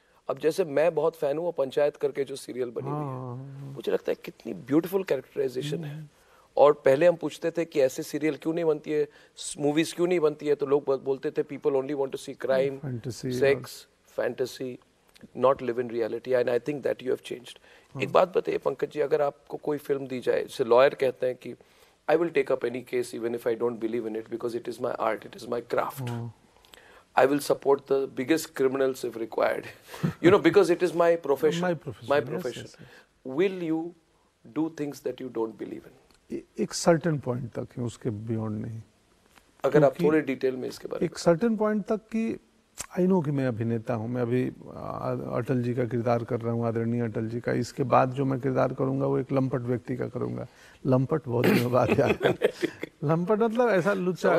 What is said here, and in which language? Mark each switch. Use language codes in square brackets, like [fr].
[hi] अब जैसे मैं बहुत फैन हूँ वो पंचायत करके जो सीरियल बनी हुई है, मुझे लगता है कितनी ब्यूटीफुल कैरेक्टराइजेशन है, और पहले हम पूछते थे कि ऐसे सीरियल क्यों नहीं बनती है, मूवीज क्यों नहीं बनती है, तो लोग बोलते थे [en] People only want to see crime, sex, fantasy, not live in reality, and I think that you have changed. [hi] एक बात बताइए पंकज जी, अगर आपको कोई फिल्म दी जाए, जैसे लॉयर कहते हैं कि [en] I will take up any case even if I don't believe in it because it is my art, it is my craft. I will support the biggest criminals if required. You know, because it is my profession. My profession. Yes, yes, yes. Will you do things that you don't believe in? [hi] एक [en] certain point [hi] तक है, उसके beyond नहीं। अगर आप थोड़े detail में इसके बारे में। एक [en] certain point [hi] तक कि [en] I know [hi] कि मैं अभिनेता हूँ, मैं अभी अटल जी का किरदार कर रहा हूँ, आदरणीय अटल जी का, इसके बाद जो मैं किरदार करूँगा वो एक लंपट व्यक्ति का करूँगा, लंपट बहुत दिनों बाद यार लंपट मतलब ऐसा लुच्चा,